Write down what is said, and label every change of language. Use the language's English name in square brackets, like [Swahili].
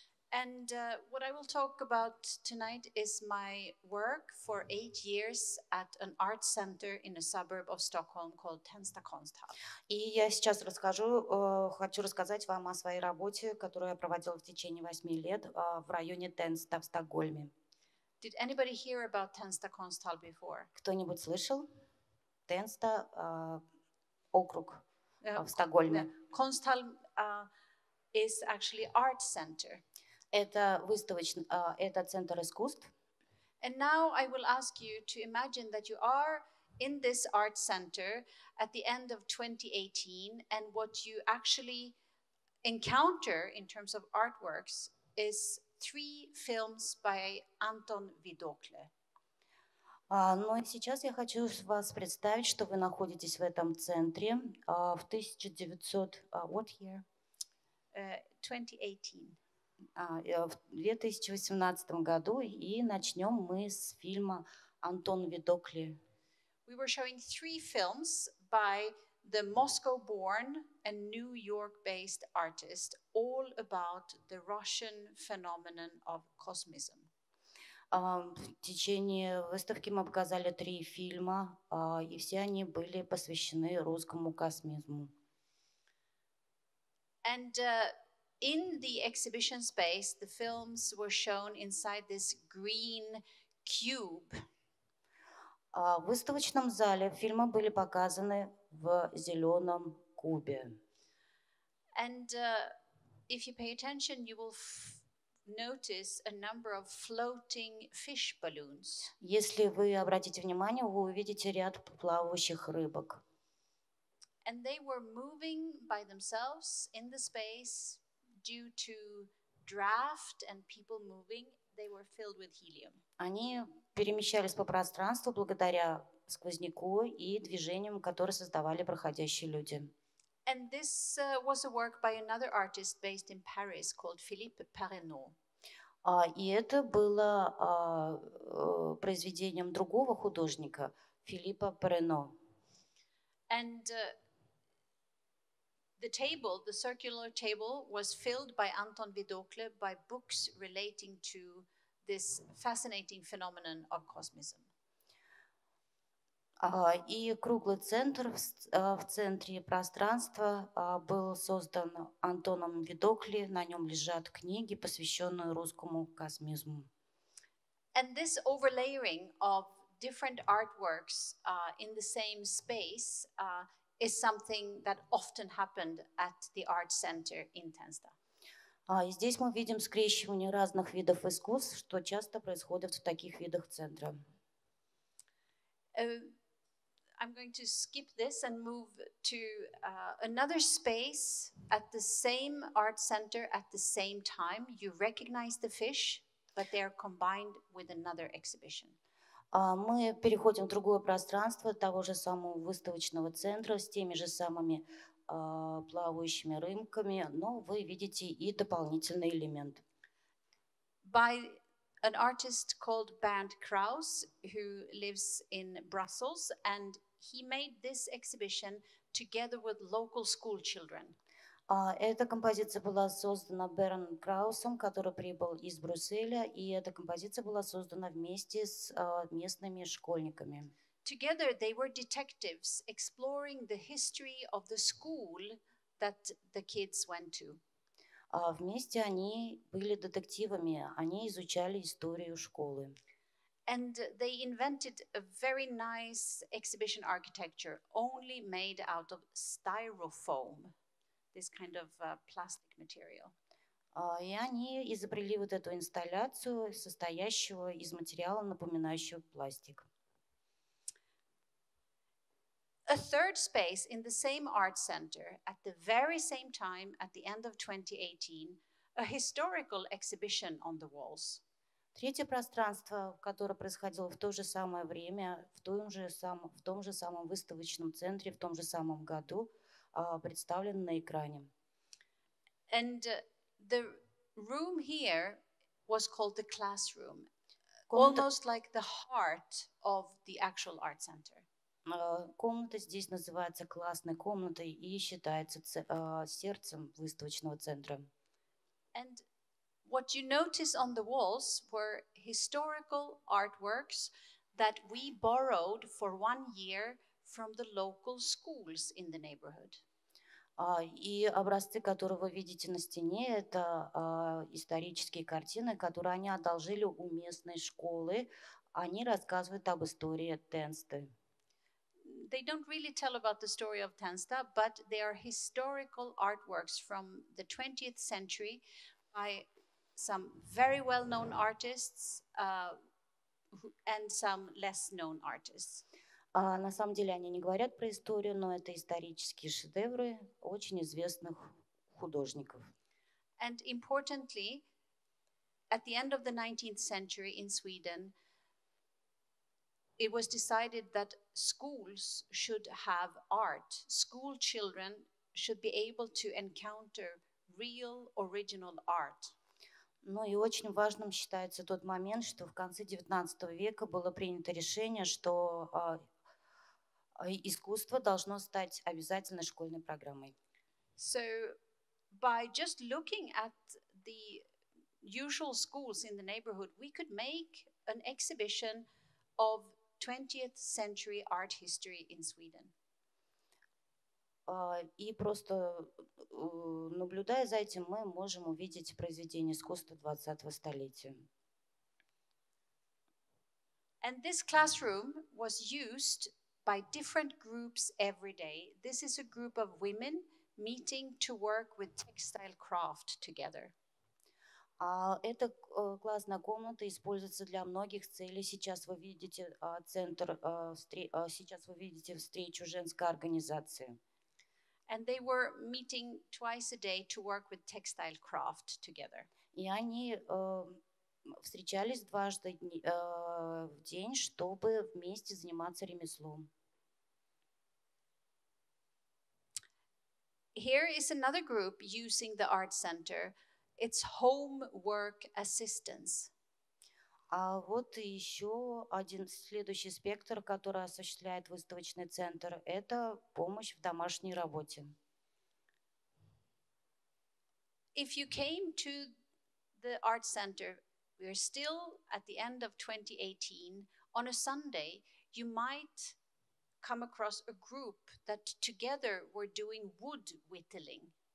[English] And what I will talk about tonight is my work for 8 years at an art center in a suburb of Stockholm called Tensta Kunsthall. [Russian] И я сейчас расскажу, хочу рассказать вам о своей работе, которую я проводила в течение 8 лет в районе Тенста в Стокгольме. [English] Did anybody hear about Tensta Kunsthall before? [Russian] Кто-нибудь слышал? Тенста, округ в Стокгольме. [English] Kunsthall is actually art center. [Russian] Это выставочный, это центр искусств. [English] And now I will ask you to imagine that you are in this art center at the end of 2018, and what you actually encounter in terms of artworks is 3 films by Anton Vidokle. [Russian] Ну и сейчас я хочу вас представить, что вы находитесь в этом центре в 2018 году, и начнем мы с фильма Антон Видокли. [English] We were showing 3 films by the Moscow-born and New York-based artist, all about the Russian phenomenon of cosmism. [Russian] В течение выставки мы показали 3 фильма, и все они были посвящены русскому космизму. [English] And in the exhibition space, the films were shown inside this green cube. [Russian] В выставочном зале фильмы были показаны в зеленом кубе. [English] And if you pay attention, you will notice a number of floating fish balloons. [Russian] Если вы обратите внимание, вы увидите ряд плавающих рыбок. [English] And they were moving by themselves in the space due to draft and people moving. They were filled with helium. [Russian] Они перемещались по пространству благодаря сквозняку и движениям, которые создавали проходящие люди. [English] And this was a work by another artist based in Paris called Philippe Parenot. [Russian] И это было произведением другого художника, Филиппа Парено. [English] And The table, the circular table, was filled by Anton Vidocq by books relating to this fascinating phenomenon of cosmism. [Russian] И круглый центр в центре пространства был создан Антоном Видокли. На нем лежат книги, посвященные русскому космизму. [English] And this overlaying of different artworks in the same space is something that often happened at the art center in Tensta. [Russian] И здесь мы видим скрещивание разных видов искусств, что часто происходит в таких видах центра. [English] I'm going to skip this and move to another space at the same art center at the same time. You recognize the fish, but they are combined with another exhibition. [Russian] Мы переходим в другое пространство того же самого выставочного центра с теми же самыми плавающими рыбками, но вы видите и дополнительный элемент. [English] By an artist called Bernd Kraus, who lives in Brussels, and he made this exhibition together with local school children. [Russian] Эта композиция была создана Берном Краусом, который прибыл из Брюсселя, и эта композиция была создана вместе с местными школьниками. [English] Together they were detectives exploring the history of the school that the kids went to. [Russian] Вместе они были детективами, они изучали историю школы. [English] And they invented a very nice exhibition architecture, only made out of styrofoam, this kind of plastic material. [Russian] И они изобрели вот эту инсталляцию, состоящую из материала, напоминающего пластик. [English] A third space in the same art center, at the very same time, at the end of 2018, a historical exhibition on the walls. [Russian] Третье пространство, которое происходило в то же самое время, в том же самом выставочном центре, в том же самом году, представлено на экране. [English] And the room here was called the classroom, almost like the heart of the actual art center. [Russian] Комната здесь называется классной комнатой и считается сердцем выставочного центра. [English] And what you notice on the walls were historical artworks that we borrowed for one year from the local schools in the neighborhood. [Russian] И образцы, которые вы видите на стене, это исторические картины, которые они одолжили у местной школы. Они рассказывают об истории Тенсты. [English] They don't really tell about the story of Tensta, but they are historical artworks from the 20th century by some very well-known artists and some less-known artists. [Russian] На самом деле они не говорят про историю, но это исторические шедевры очень известных художников. [English] And importantly, at the end of the 19th century in Sweden, it was decided that schools should have art. School children should be able to encounter real original art. [Russian] Ну и очень важным считается тот момент, что в конце 19 века было принято решение, что искусство должно стать обязательной школьной программой. [English] So by just looking at the usual schools in the neighborhood, we could make an exhibition of 20th century art history in Sweden. [Russian] И просто наблюдая за этим, мы можем увидеть произведения искусства 20-го столетия. [English] And this classroom was used by different groups every day. This is a group of women meeting to work with textile craft together. [Russian] Эта классная комната используется для многих целей. Сейчас вы видите центр, сейчас вы видите встречу женской организации. [English] And they were meeting twice a day to work with textile craft together. [Russian] И они встречались дважды в день, чтобы вместе заниматься ремеслом. [English] Here is another group using the art center. It's homework assistance. [Russian] А вот еще один следующий спектр, который осуществляет выставочный центр, это помощь в домашней работе. [English] If you came to the art center, we are still at the end of 2018, on a Sunday, you might come across a group that together were doing wood whittling.